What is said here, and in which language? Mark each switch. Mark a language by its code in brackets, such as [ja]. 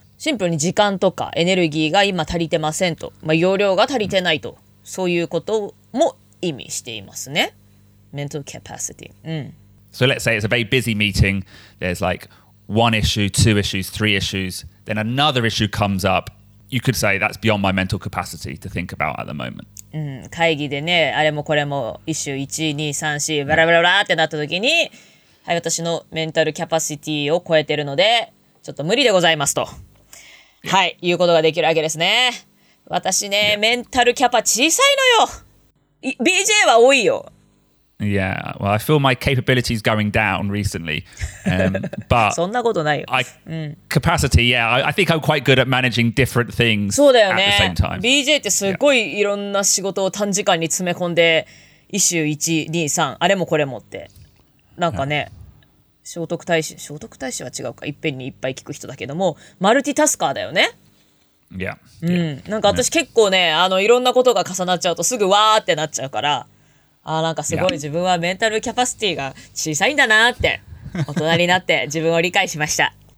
[ja] シンプルに時間とかエネルギーが今足りてませんと、まあ、容量が足りてないと、そういうことも意味していますね。 [en] Mental capacity.、うん、 so let's say it's a very busy meeting. There's like one issue, two issues, three issues. Then another issue comes up. You could say that's beyond my mental capacity to think about at the moment.、 [ja] うん、会議でね、あれもこれも、イシュー1、2、3、4、バラバラバラってなった時に、はい、私のメンタルキャパシティを超えてるので、ちょっと無理でございますと。 [en] Yeah. [ja] はい、言うことができるわけですね。私ね、yeah. メンタルキャパ小さいのよ。 BJ は多いよ。 [en] Yeah, well, I feel my capability is going down recently. But [ja] そんなことないよ。 [en] Capacity, yeah, I think I'm quite good at managing different things at the same time. [ja] BJ ってすごいいろんな仕事を短時間に詰め込んで、イシュー1、2、3、あれもこれもって。なんかね。Yeah. 聖徳太子は違うか、いっぺんにいっぱい聞く人だけども、マルティタスカーだよね。いや、うん、なんか私結構ね、あのいろんなことが重なっちゃうとすぐわーってなっちゃうから、あ、なんかすごい自分はメンタルキャパシティが小さいんだなって大人になって自分を理解しました。